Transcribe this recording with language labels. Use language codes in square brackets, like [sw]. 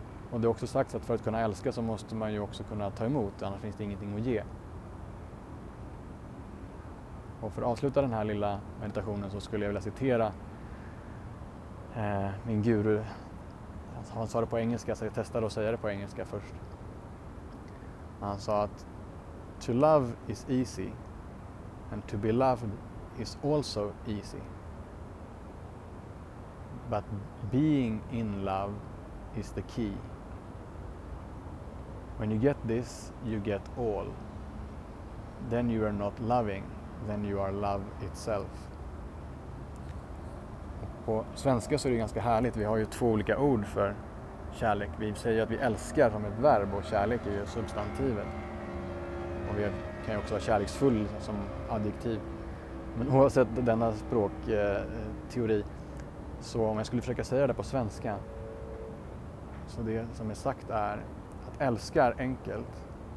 [sv] Och det är också sagt att för att kunna älska så måste man ju också kunna ta emot, annars finns det ingenting att ge. Och för att avsluta den här lilla meditationen så skulle jag vilja citera min guru. Han sa det på engelska, så jag testade att säga det på engelska först. Han sa att [en] to love is easy and to be loved is also easy. But being in love is the key. When you get this, you get all. Then you are not loving, then you are love itself. [sv] På svenska så är det ganska härligt. Vi har ju två olika ord för kärlek. Vi säger att vi älskar som ett verb och kärlek är ju substantivet. Och vi kan ju också vara kärleksfull som adjektiv. Men oavsett denna språkteori, så om jag skulle försöka säga det på svenska, så det som är sagt är att älska är enkelt.